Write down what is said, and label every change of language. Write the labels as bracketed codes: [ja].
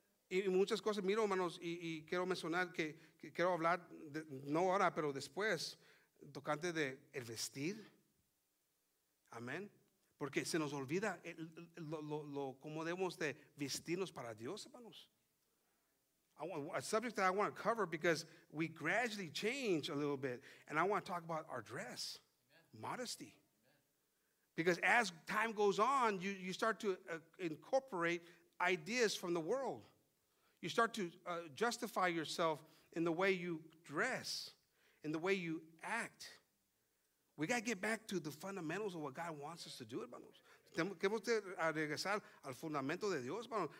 [es] Y muchas cosas, miro, hermanos, y quiero mencionar que quiero hablar, no ahora, pero después, tocante de el vestir. Amén. Porque se nos olvida cómo debemos de vestirnos para Dios, hermanos. [en] A subject that I want to cover because we gradually change a little bit. And I want to talk about our dress. Amen. Modesty. Amen. Because as time goes on, you start to incorporate ideas from the world. You start to justify yourself in the way you dress, in the way you act. We got to get back to the fundamentals of what God wants us to do, hermanos. [es] Tenemos que regresar al fundamento de Dios, hermanos.